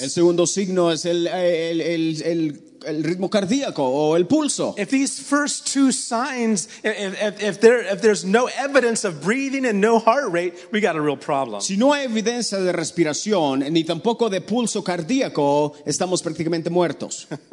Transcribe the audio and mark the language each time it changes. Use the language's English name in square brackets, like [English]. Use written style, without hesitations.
[Spanish] El segundo signo es el ritmo cardíaco o el pulso. [English] If these first two signs, if there's no evidence of breathing and no heart rate, we got a real problem. [Spanish] Si no hay evidencia de respiración ni tampoco de pulso cardíaco, estamos prácticamente muertos.